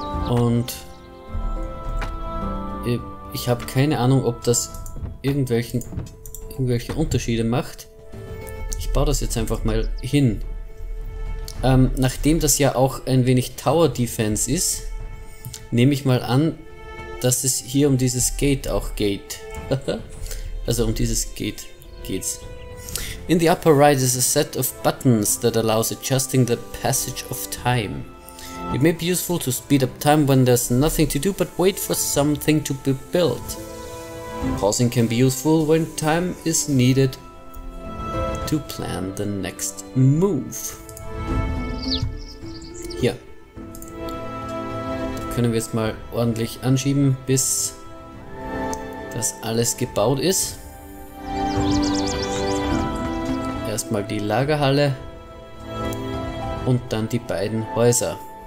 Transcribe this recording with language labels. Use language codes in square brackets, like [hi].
[de] Und ich habe keine Ahnung, ob das irgendwelche Unterschiede macht. Ich baue das jetzt einfach mal hin. Nachdem das ja auch ein wenig Tower Defense ist, nehme ich mal an, dass es hier um dieses Gate auch geht. Also um dieses Gate geht's. [en] In the upper right is a set of buttons that allows adjusting the passage of time. It may be useful to speed up time when there's nothing to do but wait for something to be built. Pausing can be useful when time is needed to plan the next move. [de] Hier. Können wir jetzt mal ordentlich anschieben, bis das alles gebaut ist. Erstmal die Lagerhalle und dann die beiden Häuser.